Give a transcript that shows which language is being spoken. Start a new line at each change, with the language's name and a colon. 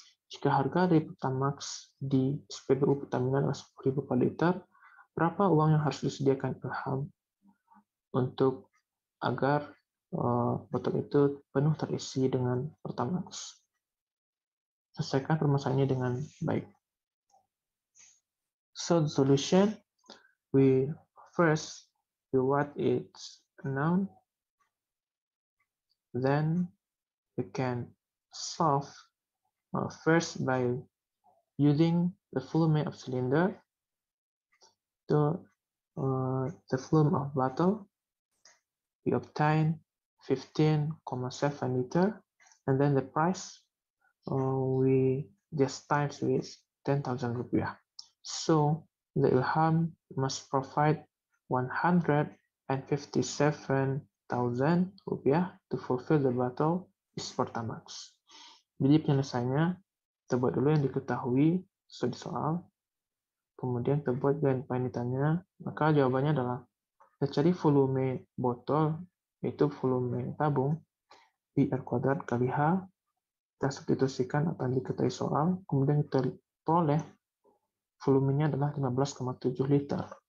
Indonesian: Jika harga dari Pertamax di SPBU Pertamina adalah 10.000 per liter, berapa uang yang harus disediakan Ilham untuk agar botol itu penuh terisi dengan Pertamax? Selesaikan permasalahannya dengan baik.
English: So the solution, we first do what it's known, then we can solve first by using the volume of cylinder to the volume of bottle. We obtain 15,7 liter, and then the price we just times with 10,000 rupiah. So the Ilham must provide 157,000 rupiah to fulfill the bottle is Pertamax.
Indonesian: Jadi penyelesaiannya, kita buat dulu yang diketahui sesuai soal, kemudian kita buat yang penitanya, maka jawabannya adalah kita cari volume botol, yaitu volume tabung, VR kuadrat kali H, kita substitusikan apa yang diketahui soal, kemudian kita peroleh volumenya adalah 15,7 liter.